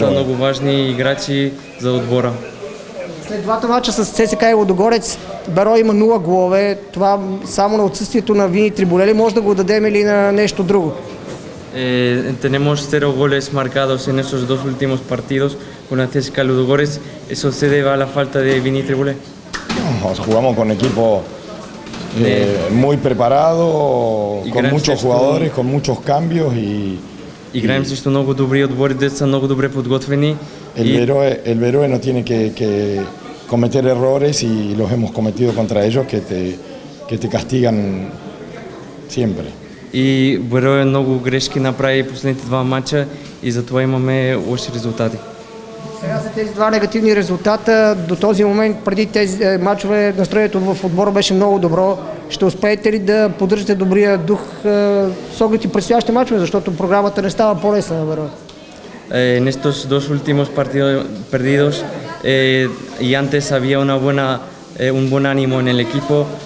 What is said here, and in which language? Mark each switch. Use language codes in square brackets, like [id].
[es] Son muy [bg] важни играчи за отбора. След двата мача с ЦСКА и Лудогорец, Берое има 0 голове. Това само на отсъствието на Вини Трибуле ли може да го дадем или на нещо друго? [es] Tenemos 0 goles marcados en esos dos últimos partidos con la ЦСКА y Лудогорец. ¿Eso se debe a la falta de Вини Трибуле? Jugamos con equipo... muy preparado, con muchos jugadores, con muchos cambios y [bg] играем срещу много добри отбори, де са много добре подготвени. [es] El Берое no tiene que cometer errores y los hemos cometido contra ellos que te castigan siempre. [bg] И Берое много грешки направи последните два матча и затова имаме лоши резултати. Сега са тези два негативни резултата. До този момент, преди тези матчове, настроението в отбора беше много добро. Ще успеете ли да поддържате добрия дух с оглед и предстоящите матчове, защото програмата не става по-лесна, наверное? [es] En estos dos últimos partidos perdidos y antes había un buen ánimo en el equipo.